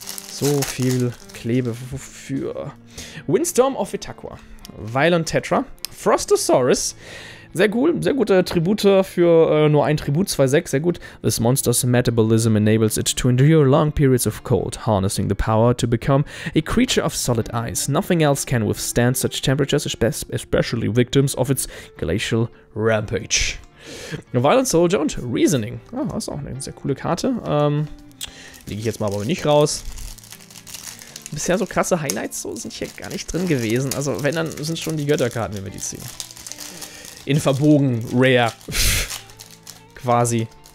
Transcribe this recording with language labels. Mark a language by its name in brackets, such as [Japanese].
[German] So viel Klebe, wofür? Windstorm of Itaqua, Vylon Tetra. Frostosaurus, sehr cool, sehr guter Tribute für nur ein Tribut, 2-6, sehr gut. [English] This monster's metabolism enables it to endure long periods of cold, harnessing the power to become a creature of solid ice. Nothing else can withstand such temperatures, especially victims of its glacial rampage. [German] Violent Soldier und Reasoning, oh, das ist auch eine sehr coole Karte. Lege ich jetzt mal aber nicht raus. Bisher so krasse Highlights, so sind hier gar nicht drin gewesen. Also wenn, dann sind es schon die Götterkarten, wenn wir die ziehen. In verbogen, rare. Quasi.